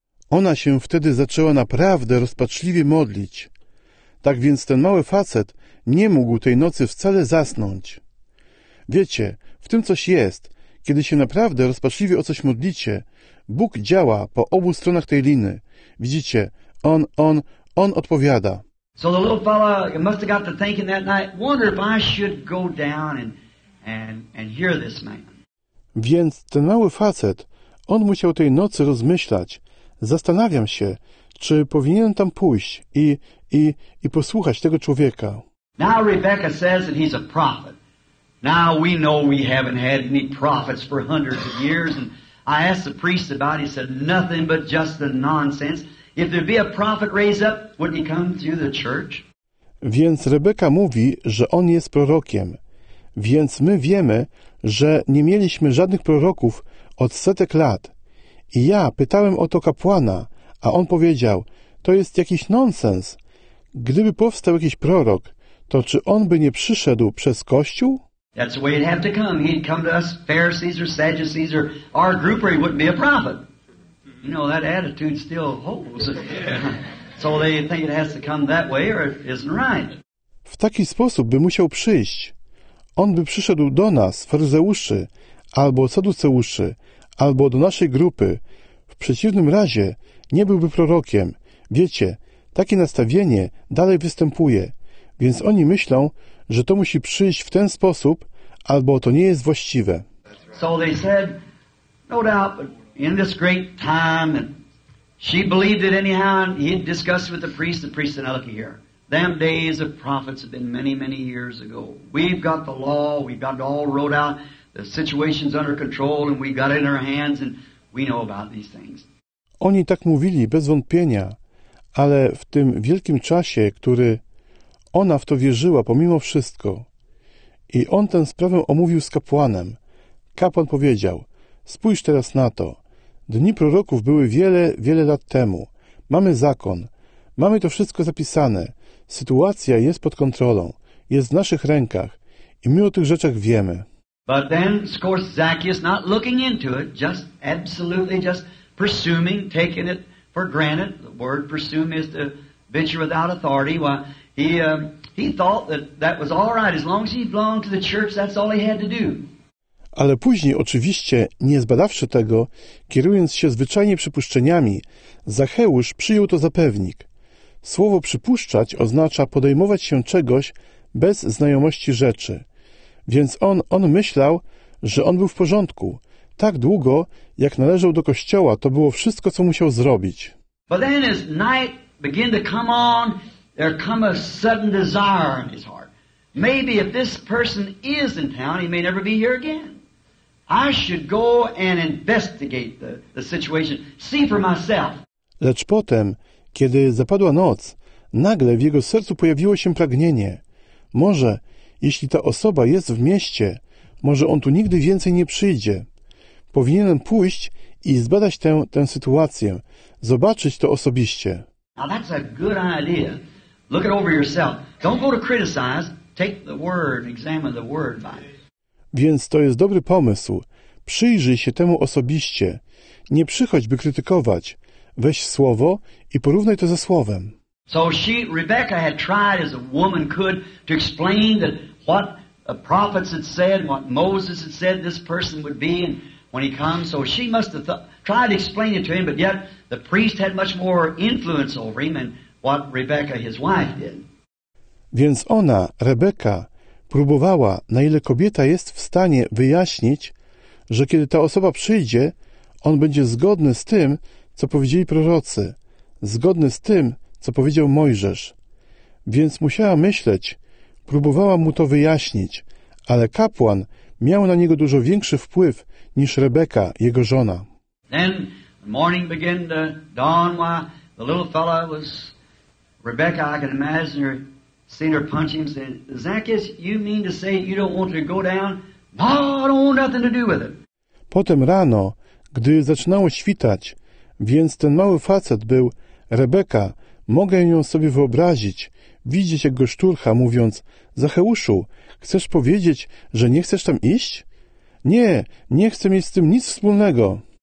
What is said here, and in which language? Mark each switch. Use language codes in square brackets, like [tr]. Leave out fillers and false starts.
[pl] Ona się wtedy zaczęła naprawdę rozpaczliwie modlić. Tak więc ten mały facet nie mógł tej nocy wcale zasnąć. Wiecie, w tym coś jest. Kiedy się naprawdę rozpaczliwie o coś modlicie, Bóg działa po obu stronach tej liny. Widzicie, on odpowiada. [en] So the little fella must have got to thinking that night, wonder if I should go down and hear this man. [pl] Więc ten mały facet, on musiał tej nocy rozmyślać. Zastanawiam się, czy powinienem tam pójść i posłuchać tego człowieka. [en] Now Rebecca says that he's a prophet. Now we know we haven't had any prophets for hundreds of years. And I asked the priest about it. He said nothing but just the nonsense. If there be a prophet raised up, wouldn't he come through the church? [pl] Więc Rebeka mówi, że on jest prorokiem. Więc my wiemy, że nie mieliśmy żadnych proroków od setek lat. I ja pytałem o to kapłana, a on powiedział, to jest jakiś nonsens. Gdyby powstał jakiś prorok, to czy on by nie przyszedł przez Kościół? [en] That's the way he'd have to come. He'd come to us, Pharisees or Sadducees or our group, or he wouldn't be a prophet. You know, that attitude still holds. So they think it has to come that way or it isn't right. [pl] W taki sposób by musiał przyjść. On by przyszedł do nas, faryzeuszy, albo saduceuszy, albo do naszej grupy. W przeciwnym razie nie byłby prorokiem, Wiecie, takie nastawienie dalej występuje, więc oni myślą, że to musi przyjść w ten sposób, albo to nie jest właściwe. [en] So they said, no doubt, in this great time, and she believed it anyhow, and he discussed with the priest said, look here, them days of prophets have been many, many years ago. We've got the law, we've got it all wrote out, the situation's under control, and we've got it in our hands, and we know about these things. [pl] Oni tak mówili bez wątpienia, ale w tym wielkim czasie, który ona w to wierzyła pomimo wszystko. I on tę sprawę omówił z kapłanem. Kapłan powiedział, spójrz teraz na to. Dni proroków były wiele, wiele lat temu. Mamy zakon. Mamy to wszystko zapisane. Sytuacja jest pod kontrolą. Jest w naszych rękach. I my o tych rzeczach wiemy. [en] But then, of course, Zacchaeus not looking into it, just absolutely just presuming, taking it for granted. The word presume is to venture without authority. Well, he thought that was all right. As long as he belonged to the church, that's all he had to do. [pl] Ale później, oczywiście, nie zbadawszy tego, kierując się zwyczajnie przypuszczeniami, Zacheusz przyjął to za pewnik. Słowo przypuszczać oznacza podejmować się czegoś bez znajomości rzeczy. Więc on myślał, że on był w porządku. Tak długo, jak należał do kościoła, to było wszystko, co musiał zrobić. [en] But then as night began to come on, there come a sudden desire in his heart. Maybe if this person is in town, he may never be here again. I should go and investigate the situation, see for myself. [pl] Lecz potem, kiedy zapadła noc, nagle w jego sercu pojawiło się pragnienie. Może, jeśli ta osoba jest w mieście, może on tu nigdy więcej nie przyjdzie. Powinienem pójść i zbadać tę sytuację, zobaczyć to osobiście. [en] Now that's a good idea. Look it over yourself. Don't go to criticize. Take the word, examine the word by it. [pl] Więc to jest dobry pomysł. Przyjrzyj się temu osobiście. Nie przychodź, by krytykować. Weź słowo i porównaj to ze słowem. [en] So she, Rebecca, had tried as a woman could to explain that what the prophets had said, what Moses had said this person would be and when he comes. So she must have tried to explain it to him, but yet the priest had much more influence over him than what Rebecca, his wife, did. [pl] Więc ona, Rebeka, próbowała, na ile kobieta jest w stanie wyjaśnić, że kiedy ta osoba przyjdzie, on będzie zgodny z tym, co powiedzieli prorocy, zgodny z tym, co powiedział Mojżesz. Więc musiała myśleć, próbowała mu to wyjaśnić, ale kapłan miał na niego dużo większy wpływ niż Rebeka, jego żona. [en] Then the morning began to dawn while the little fellow was Rebecca, I can imagine her. Seen her punch him and said, Zacchaeus, you mean to say you don't want to go down? No, I don't want nothing to do with it. [pl] Potem rano, gdy zaczynało świtać, więc ten mały facet był Rebeka, mogę ją sobie wyobrazić, widzieć jak go szturcha, mówiąc, Zacheuszu, chcesz powiedzieć, że nie chcesz tam iść? Nie, nie chcę mieć z tym nic wspólnego.